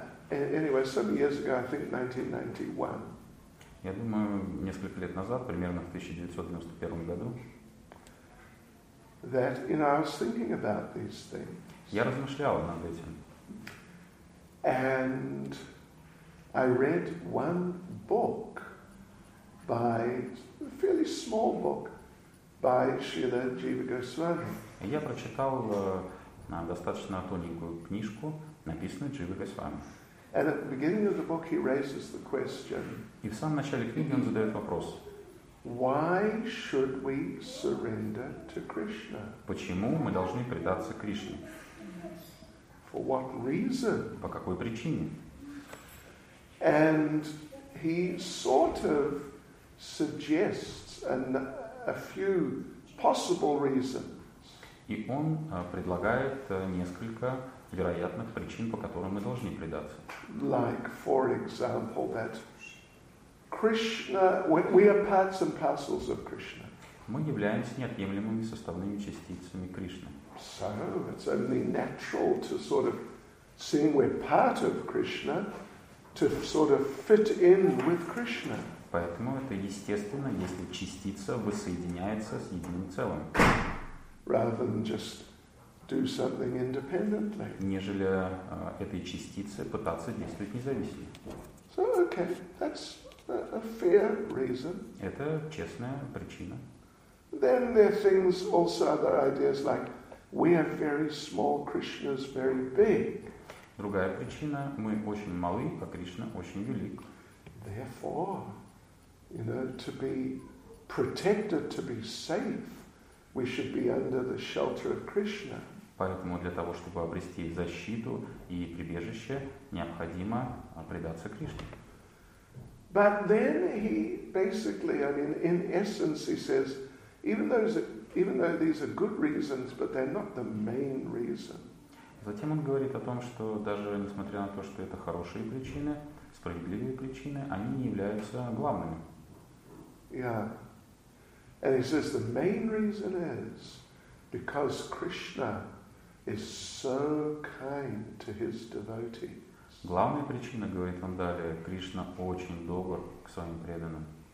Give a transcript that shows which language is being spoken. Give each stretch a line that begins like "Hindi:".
English: It must have been some years ago, I think 1991.
Russian: Я думаю, несколько лет назад, примерно в 1991 году.
English: That, you know, I was thinking about these things.
Russian: Я размышлял над этим.
English: And I read one book by a fairly small book by Srila Jiva Goswami.
Russian: Я прочитал достаточно тоненькую книжку, написанную Джива Госвами.
English: And at the beginning of the book he raises the question.
Russian: И в самом начале книги он задает вопрос.
English: Why should we surrender to Krishna?
Russian: Почему мы должны предаться Кришне?
English: For what reason?
Russian: По какой причине?
English: And he sort of suggests a few possible reasons.
Russian: И он предлагает несколько вероятных причин, по которым мы должны предаться.
English: Like, for example, that Krishna, we are parts and parcels of Krishna.
Russian: Мы являемся неотъемлемыми составными частицами Кришны.
English: So it's only natural to sort of, seeing we're part of Krishna, to sort of fit in with Krishna.
Russian: Поэтому это естественно, если частица воссоединяется с единым целым.
English: Rather than just do something independently.
Russian: Нежели этой частице пытаться действовать независимо.
English: So, okay, that's a fair reason.
Russian: Это честная причина.
English: Then there are things, also other ideas like we are very small, Krishna's very big.
Russian: Другая причина, мы очень малы, а Кришна очень велик.
English: Therefore, you know, to be protected, to be safe, we should be under the shelter of Krishna.
Russian: Поэтому для того, чтобы обрести защиту и прибежище, необходимо предаться Кришне.
English: But then he basically, I mean, in essence, he says, even though these are good reasons, but they're not the main reason.
Russian: Затем он говорит о том, что даже несмотря на то, что это хорошие причины, справедливые причины, они не являются главными.
English: Yeah. And he says the main reason is because Krishna is so kind to his devotee.
Russian: Главная причина, говорит он далее, Кришна очень добр к своим преданным.